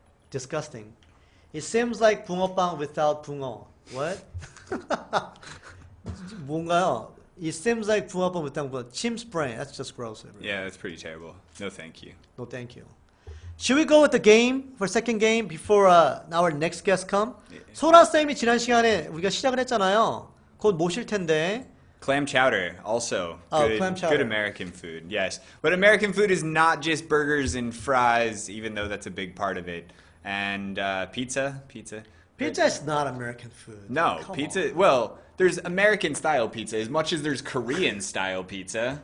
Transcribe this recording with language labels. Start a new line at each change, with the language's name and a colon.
English: Disgusting. It seems like 붕어빵 without 붕어. What?
Korean: 뭔가요?
English: It seems like 붕어빵 without 붕어. Chimp's brain. That's just gross. Everybody. Yeah, that's pretty terrible. No, thank you. No, thank you. Should we go with the game for second game before our next guest come? Yeah.
Korean: 소라 쌤이 지난 시간에 우리가 시작을 했잖아요. 곧 모실 텐데.
English: Clam chowder, also. Oh, good, clam chowder. Good American food. Yes, but American food is not just burgers and fries, even though that's a big part of it. And pizza. Pizza is not American food. No, come pizza. On. Well, there's American style pizza as much as there's Korean style pizza.